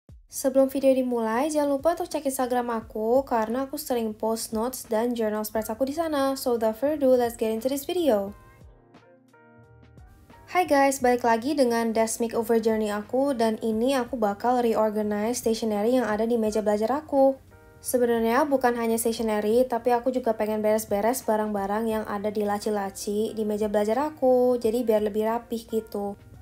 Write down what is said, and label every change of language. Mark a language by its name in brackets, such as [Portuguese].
[Indonesian] Sebelum video dimulai, jangan lupa untuk cek Instagram aku karena aku sering post notes dan journal spreads aku di sana. [English] So without further ado, let's get into this video. Hi guys, [Indonesian] balik lagi dengan desk makeover journey aku dan ini aku bakal reorganize stationery yang ada di meja belajar aku. Sebenarnya bukan hanya stationery, tapi aku juga pengen beres-beres barang-barang yang ada di laci-laci di meja belajar aku, jadi biar lebih rapih gitu.